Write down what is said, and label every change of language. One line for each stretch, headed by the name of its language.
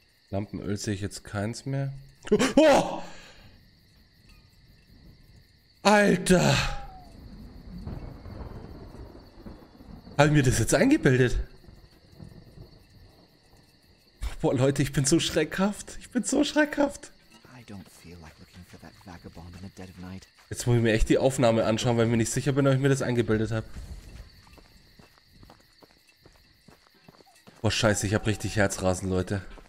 German: Lampenöl sehe ich jetzt keins mehr. Oh! Alter! Hab ich mir das jetzt eingebildet? Boah, Leute, ich bin so schreckhaft. Ich bin so schreckhaft.
English: I don't feel like looking for that vagabond in the dead of night.
German: Jetzt muss ich mir echt die Aufnahme anschauen, weil ich mir nicht sicher bin, ob ich mir das eingebildet habe. Boah, scheiße, ich habe richtig Herzrasen, Leute.